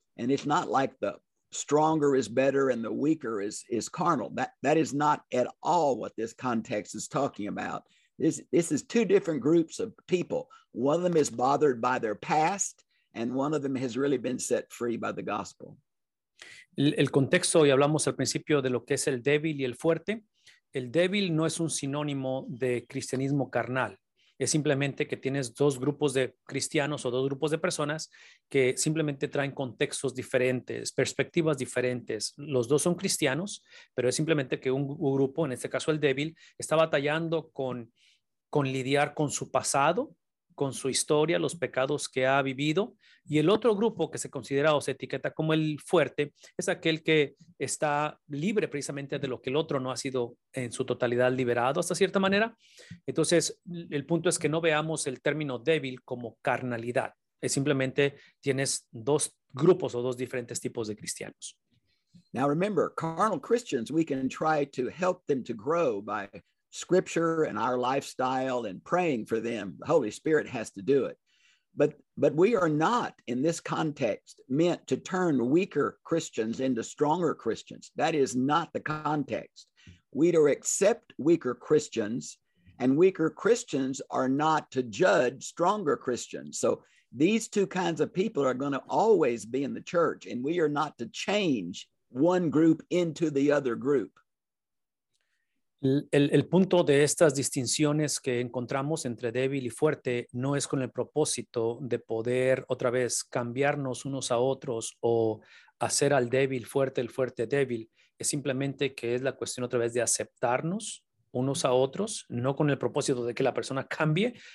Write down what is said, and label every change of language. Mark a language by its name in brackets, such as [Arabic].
[English] And it's not like the stronger is better and the weaker is carnal. That is not at all what this context is talking about. This is two different groups of people. One of them is bothered by their past, and one of them has really been set free by the gospel. [Spanish] El contexto, y hablamos al principio de lo que es el débil y el fuerte. El débil no es un sinónimo de cristianismo carnal. es simplemente que tienes dos grupos de cristianos o dos grupos de personas que simplemente traen contextos diferentes, perspectivas diferentes. Los dos son cristianos, pero es simplemente que un grupo, en este caso el débil, está batallando con lidiar con su pasado, con su historia, los pecados que ha vivido. Y el otro grupo que se considera o se etiqueta como el fuerte es aquel que está libre precisamente de lo que el otro no ha sido en su totalidad liberado hasta cierta manera. Entonces, el punto es que no veamos el término débil como carnalidad. Es simplemente tienes dos grupos o dos diferentes tipos de cristianos. [English] Now remember, carnal Christians, we can try to help them to grow by scripture and our lifestyle and praying for them. The Holy Spirit has to do it. But we are not in this context meant to turn weaker Christians into stronger Christians. That is not the context. We are to accept weaker Christians, and weaker Christians are not to judge stronger Christians. So these two kinds of people are going to always be in the church, and we are not to change one group into the other group. [Spanish] El punto de estas distinciones que encontramos entre débil y fuerte no es con el propósito de poder otra vez cambiarnos unos a otros o hacer al débil fuerte, el fuerte débil. Es simplemente que es la cuestión otra vez de aceptarnos unos a otros, no con el propósito de que la persona cambie.